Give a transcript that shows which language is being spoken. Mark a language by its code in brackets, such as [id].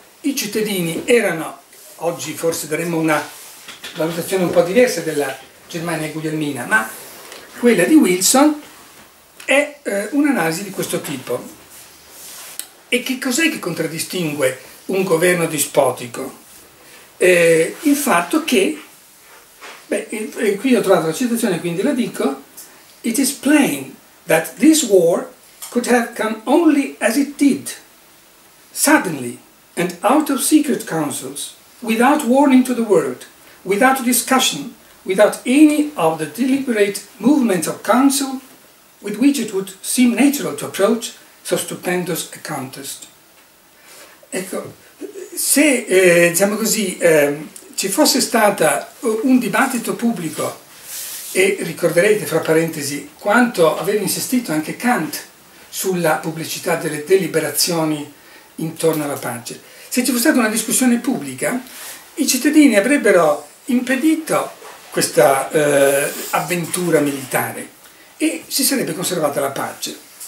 [it] I cittadini erano, oggi forse daremmo una valutazione un po' diversa della Germania guglielmina, ma quella di Wilson è un'analisi di questo tipo. E che cos'è che contraddistingue un governo dispotico? Il fatto che, qui ho trovato la citazione, quindi la dico: [en] it is plain that this war could have come only as it did, suddenly, and out of secret councils, without warning to the world, without discussion, without any of the deliberate movements of counsel with which it would seem natural to approach so stupendous a contest. [it] Ecco, se diciamo così, ci fosse stata un dibattito pubblico, e ricorderete, fra parentesi, quanto aveva insistito anche Kant sulla pubblicità delle deliberazioni intorno alla pace, se ci fosse stata una discussione pubblica, i cittadini avrebbero impedito questa avventura militare e si sarebbe conservata la pace.